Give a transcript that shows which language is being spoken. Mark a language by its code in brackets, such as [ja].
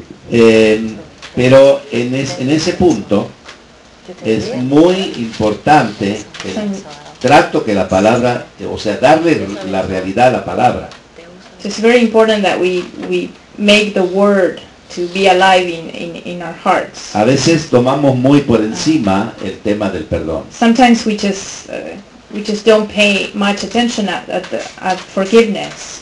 [es] Pero en ese punto es muy importante el trato que la palabra, o sea, darle la realidad a la palabra. [en] It's very important that we make the word to be alive in our hearts. [es] A veces tomamos muy por encima el tema del perdón. [en] Sometimes we just don't pay much attention at forgiveness.